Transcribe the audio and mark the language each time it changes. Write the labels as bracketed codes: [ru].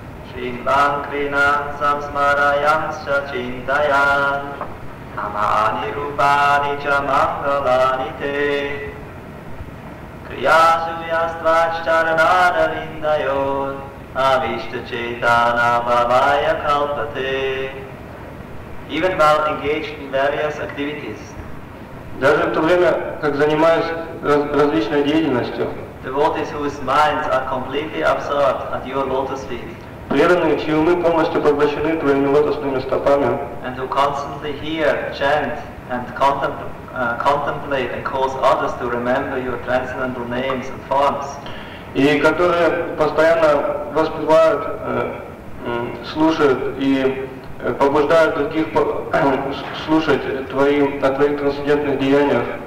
[sa] Shrimam krina samsmarayam sa chintayam Namani rupani ca mangalani te Kriyasu yastvach charanara vindayon Avishta chetana bhavaya kalpate. [en] Even while engaged in various activities, [ru] даже в то время, как занимаюсь различной деятельностью, [en] devotees whose minds are completely absorbed at your lotus feet, [ru] преданные, чьи умы полностью поглощены твоими лотосными стопами, [en] and who constantly hear, chant, and contemplate and cause others to remember your transcendental names and forms, [ru] и которые постоянно воспевают, слушают и побуждают других слушать твои, о твоих трансцендентных деяниях.